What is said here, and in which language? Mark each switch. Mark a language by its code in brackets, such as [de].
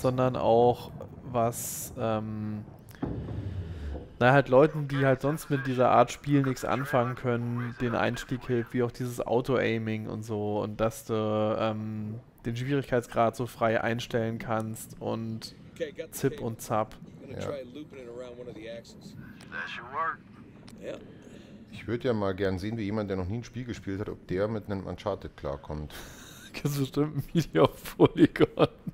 [de] sondern auch was, na halt Leuten, die halt sonst mit dieser Art Spielen nichts anfangen können, den Einstieg hilft, wie auch dieses Auto-Aiming und so, und dass du den Schwierigkeitsgrad so frei einstellen kannst und [en] Okay, got the Zip cable. [de] und Zap. [en] Gonna try looping it around one of the axles. That should work. Yeah. [de] Ich würde ja mal gern sehen, wie jemand, der noch nie ein Spiel gespielt hat, ob der mit einem Uncharted klarkommt. Kannst du bestimmt ein Video auf Polygon.